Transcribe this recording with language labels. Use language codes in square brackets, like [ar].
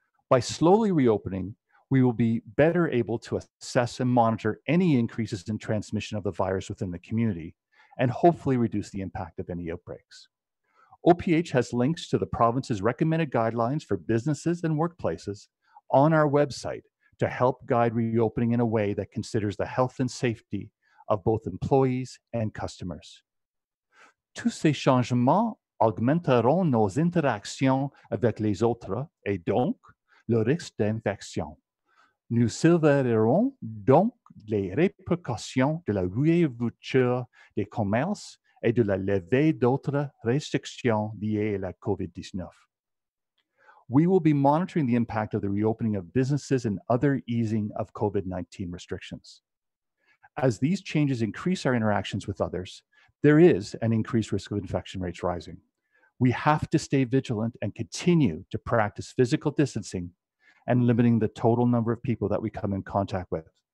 [en] By slowly reopening, we will be better able to assess and monitor any increases in transmission of the virus within the community, and hopefully reduce the impact of any outbreaks. OPH has links to the province's recommended guidelines for businesses and workplaces on our website to help guide reopening in a way that considers the health and safety of both employees and customers. [fr] Tous ces changements augmenteront nos interactions avec les autres et donc le risque d'infection. Nous surveillerons donc les répercussions de la réouverture des commerces et de la levée d'autres restrictions liées à la COVID-19. [en] We will be monitoring the impact of the reopening of businesses and other easing of COVID-19 restrictions. As these changes increase our interactions with others, there is an increased risk of infection rates rising. We have to stay vigilant and continue to practice physical distancing and limiting the total number of people that we come in contact with.